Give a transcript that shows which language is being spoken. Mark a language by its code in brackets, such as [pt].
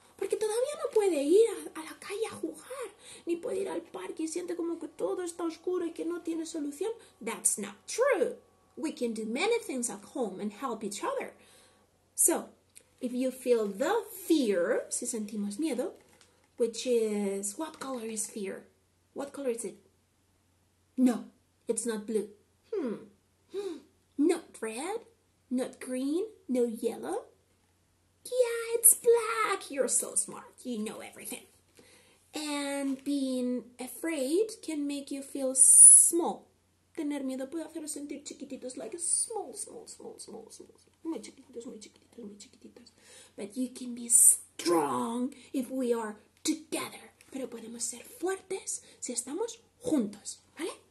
[es] Porque todavía no puede ir a la calle a jugar. Ni puede ir al parque y siente como que todo está oscuro y que no tiene solución. [en] That's not true. We can do many things at home and help each other. So, If you feel the fear, [es] si sentimos miedo, [en] which is, what color is fear? What color is it? No, it's not blue. Not red, not green, no yellow. Yeah, it's black. You're so smart. You know everything. And being afraid can make you feel small. [es] Tener miedo puede hacer sentir chiquititos, [en] like small. [es] Muy chiquititos. [en] But you can be strong if we are together. [es] Pero podemos ser fuertes si estamos juntos, ¿vale?